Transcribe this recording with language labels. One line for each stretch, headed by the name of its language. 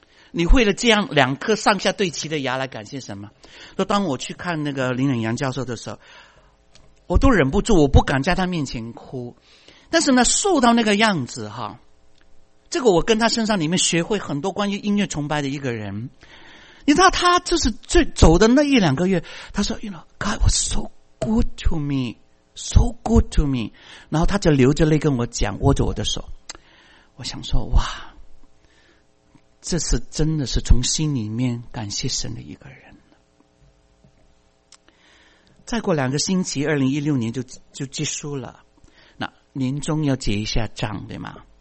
Chinese: 你为了这样两颗上下对齐的牙来感谢什么？说当我去看那个林忍阳教授的时候，我都忍不住，我不敢在他面前哭。但是呢，瘦到那个样子哈，这个我跟他身上里面学会很多关于音乐崇拜的一个人。你知道他就是最走的那一两个月，他说 ：
English: “You know, God was so good to me,
Chinese: so good to me。” 然后他就流着泪跟我讲，握着我的手。我想说哇，这是真的是从心里面感谢神的一个人。再过两个星期2016年就结束了，那年终要结一下账对吗？